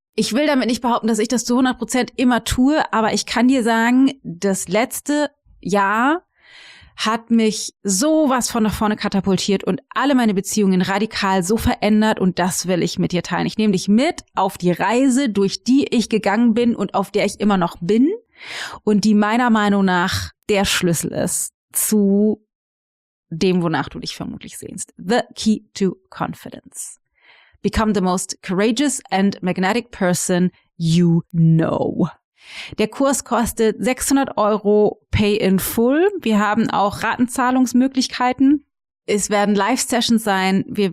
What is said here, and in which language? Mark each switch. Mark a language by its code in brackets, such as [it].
[de] Ich will damit nicht behaupten, dass ich das zu 100% immer tue, aber ich kann dir sagen, das letzte Jahr hat mich sowas von nach vorne katapultiert und alle meine Beziehungen radikal so verändert und das will ich mit dir teilen. Ich nehme dich mit auf die Reise, durch die ich gegangen bin und auf der ich immer noch bin und die meiner Meinung nach der Schlüssel ist zu dem, wonach du dich vermutlich sehnst. [en] The key to confidence. Become the most courageous and magnetic person you know. [de] Der Kurs kostet 600 Euro [en] pay in full. [de] Wir haben auch Ratenzahlungsmöglichkeiten. Es werden Live-Sessions sein.